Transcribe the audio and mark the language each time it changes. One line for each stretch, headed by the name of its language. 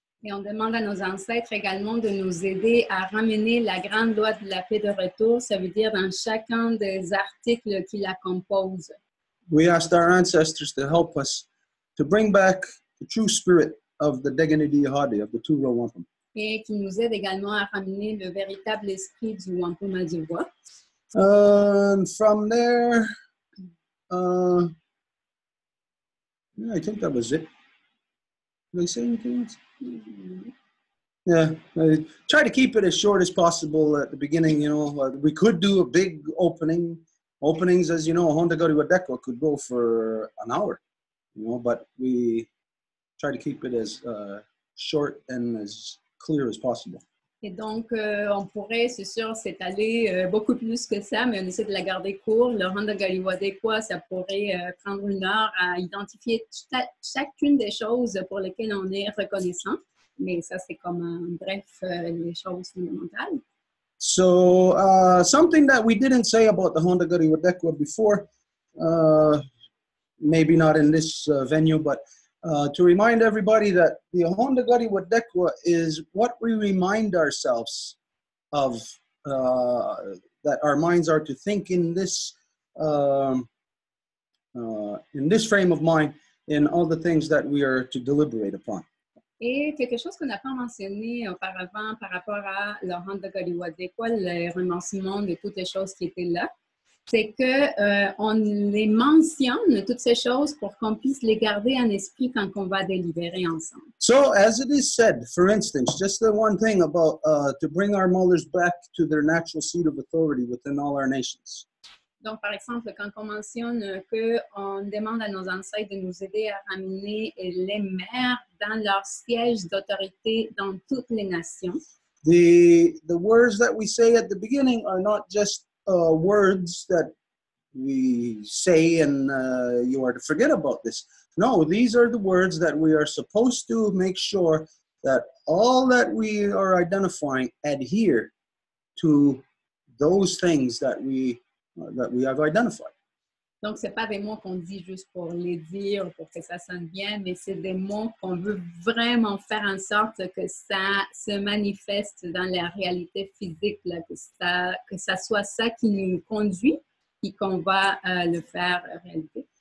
French: Et on demande à nos ancêtres également de nous aider à ramener la grande loi de la paix de retour, ça veut dire dans chacun des articles qui la composent.
English: We asked our ancestors to help us to bring back the true spirit of the Deganidi Yahadi, of the two Row Wampum.
French: Et qui nous aide également à ramener le véritable esprit du Wampum à Deux Voies.
English: And from there, yeah, I think that was it. Did I say anything else? Yeah, I try to keep it as short as possible at the beginning, you know. We could do a big opening. Openings, as you know, Honda Gori Wadeko could go for an hour, you know, but we try to keep it as short and as clear as possible.
French: Et donc, on pourrait, c'est sûr, s'étaler beaucoup plus que ça, mais on essaie de la garder court. Le Honda Gori Wadeko, ça pourrait prendre une heure à identifier chacune des choses pour lesquelles on est reconnaissant. Mais ça, c'est comme un bref, les choses fondamentales.
English: So, something that we didn't say about the Honda Gori Wadeko before, maybe not in this venue, but to remind everybody that the Honda Gori Wadeko is what we remind ourselves of, that our minds are to think in this frame of mind, in all the things that we are to deliberate upon.
French: Et quelque chose qu'on n'a pas mentionné auparavant par rapport à le Honda Gori Wadeko, le remerciement de toutes les choses qui étaient là, c'est que on les mentionne, toutes ces choses, pour qu'on puisse les garder en esprit quand on va délibérer ensemble.
English: So, as it is said, for instance, just the one thing about to bring our mothers back to their natural seat of authority within all our nations.
French: Donc, par exemple, quand on mentionne qu'on demande à nos ancêtres de nous aider à ramener les mères dans leur siège d'autorité dans toutes les nations.
English: The words that we say at the beginning are not just words that we say and you are to forget about this. No, these are the words that we are supposed to make sure that all that we are identifying adhere to those things that we have identified.
French: Donc c'est pas des mots qu'on dit juste pour les dire pour que ça sonne bien, mais c'est des mots qu'on veut vraiment faire en sorte que ça se manifeste dans la réalité physique là, que ça soit ça qui nous conduit et qu'on va le faire réalité.